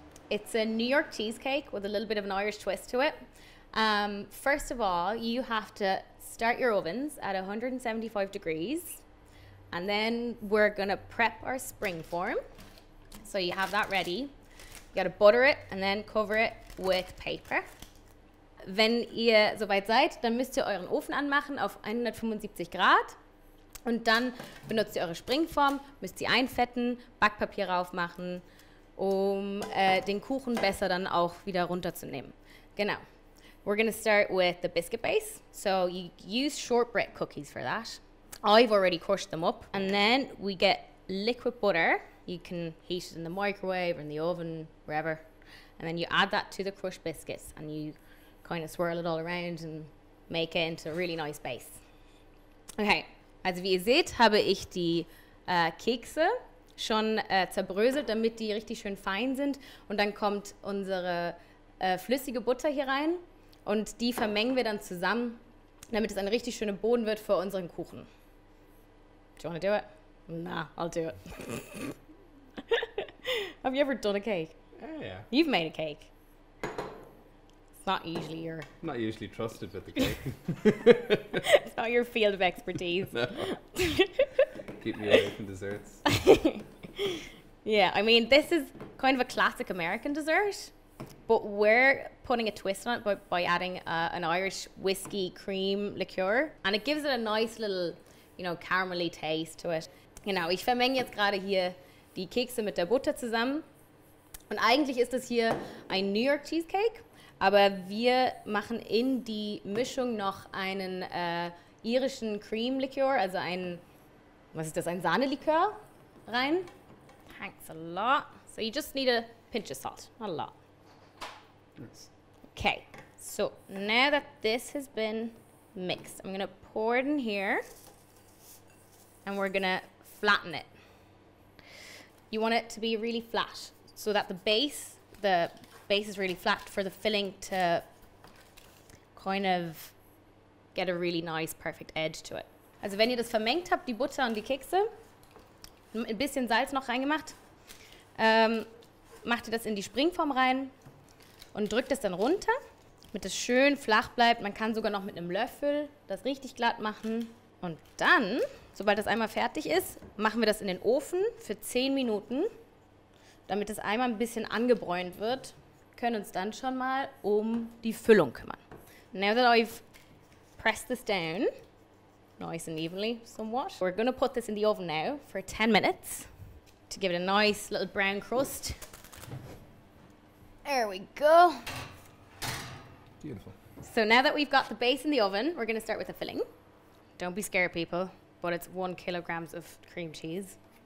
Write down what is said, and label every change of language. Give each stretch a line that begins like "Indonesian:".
English: It's a New York cheesecake with a little bit of an Irish twist to it. First of all, you have to start your ovens at 175 degrees, and then we're gonna prep our spring form. So you have that ready. You gotta butter it and then cover it with paper.
German: Wenn ihr soweit seid, dann müsst ihr euren Ofen anmachen auf 175 Grad. Und dann benutzt ihr eure Springform, müsst sie einfetten, Backpapier aufmachen, um den Kuchen besser dann auch wieder runterzunehmen.
English: Genau. We're gonna start with the biscuit base. So you use shortbread cookies for that. I've already crushed them up. And then we get liquid butter. You can heat it in the microwave or in the oven, wherever. And then you add that to the crushed biscuits and you kind of swirl it all around and make it into a really nice base.
German: Okay, also wie ihr seht, habe ich die Kekse schon zerbröselt, damit die richtig schön fein sind. Und dann kommt unsere flüssige Butter hier rein. Und die vermengen wir dann zusammen, damit es ein richtig schöner Boden wird für unseren Kuchen.
English: Do you want to do it? Nah, I'll do it. Have you ever done a cake? Yeah. You've made a cake. It's not usually your... I'm not usually trusted with the cake. It's not your field of expertise. No. Keep me away from desserts. Yeah, I mean, this is kind of a classic American dessert. But we're putting a twist on it by adding an Irish whiskey cream liqueur. And it gives it a nice little, you know, caramelly taste to it.
German: Genau, ich vermenge jetzt gerade hier die Kekse mit der Butter zusammen. Und eigentlich ist das hier ein New York Cheesecake. Aber wir machen in die Mischung noch einen irischen Cream Liqueur, also ein, was ist das, ein Sahnelikör rein.
English: Thanks a lot. So you just need a pinch of salt, not a lot. Okay, so now that this has been mixed, I'm gonna pour it in here and we're gonna flatten it. You want it to be really flat so that the base is really flat for the filling to kind of get a really nice perfect edge to it.
German: Also wenn ihr das vermengt habt, die Butter und die Kekse, ein bisschen Salz noch reingemacht, macht ihr das in die Springform rein. Und drückt es dann runter, damit es schön flach bleibt. Man kann sogar noch mit einem Löffel das richtig glatt machen. Und dann, sobald das einmal fertig ist, machen wir das in den Ofen für 10 Minuten. Damit es einmal ein bisschen angebräunt wird, können uns dann schon mal um die Füllung kümmern.
English: Now that I've pressed this down, nice and evenly somewhat, we're gonna put this in the oven now for 10 minutes to give it a nice little brown crust. There we go. Beautiful. So now that we've got the base in the oven, we're gonna start with the filling. Don't be scared, people, but it's 1 kilogram of cream cheese.